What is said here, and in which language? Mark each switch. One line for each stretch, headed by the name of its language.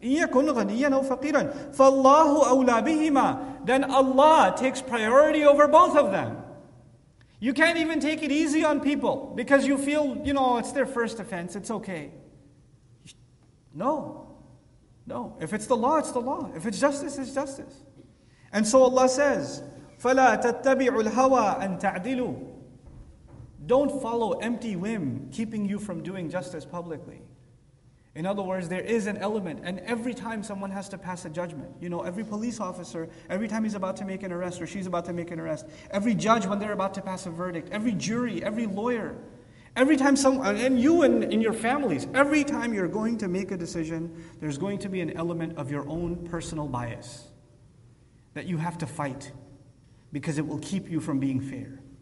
Arabic: إِن يَكُنْ غَنِيًّا أَوْ فَقِيرًا فَاللَّهُ أَوْلَى بِهِمَا.
English: Then Allah takes priority over both of them. You can't even take it easy on people because you feel, you know, it's their first offense, it's okay. No. If it's the law, it's the law. If it's justice, it's justice. And so Allah says,
Arabic: فَلَا تَتَّبِعُ الْهَوَىٰ أَن تَعْدِلُوا.
English: Don't follow empty whim, keeping you from doing justice publicly. In other words, there is an element, and every time someone has to pass a judgment, you know, every police officer, every time he's about to make an arrest, or she's about to make an arrest, every judge when they're about to pass a verdict, every jury, every lawyer, every time someone, and you and in your families, every time you're going to make a decision, there's going to be an element of your own personal bias that you have to fight, because it will keep you from being fair.